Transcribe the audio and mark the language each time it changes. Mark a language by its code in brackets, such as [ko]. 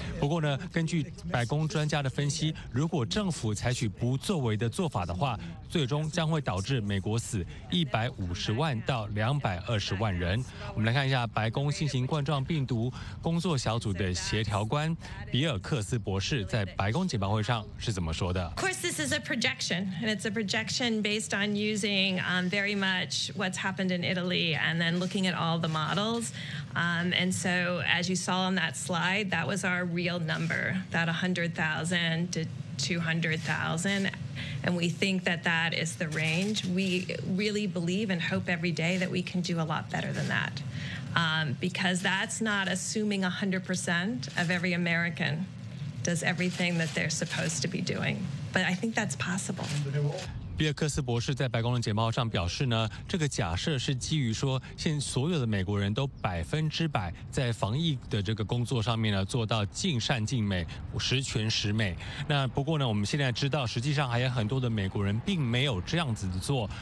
[zh] 不过呢，根据白宫专家的分析，如果政府采取不作为的做法的话，最终将会导致美国死150万到220万人。我们来看一下白宫新型冠状病毒工作小组的协调官比尔克斯博士在白宫简报会上是怎么说的。 [en] Of course, this is a projection, and it's a projection based on using very much what's happened in Italy and then looking at all the models. And so, as you saw on that slide, that was our real number, that 100,000 to 200,000. And we think that that is the range. We really believe and hope every day that we can do a lot better than that. Because that's not assuming 100% of every American does everything that they're supposed to be doing. But I think that's possible. [zh] 比尔克斯博士在白宫的简报上表示呢，这个假设是基于说，现所有的美国人都100%在防疫的这个工作上面呢，做到尽善尽美，十全十美。那不过呢，我们现在知道，实际上还有很多的美国人并没有这样子的做。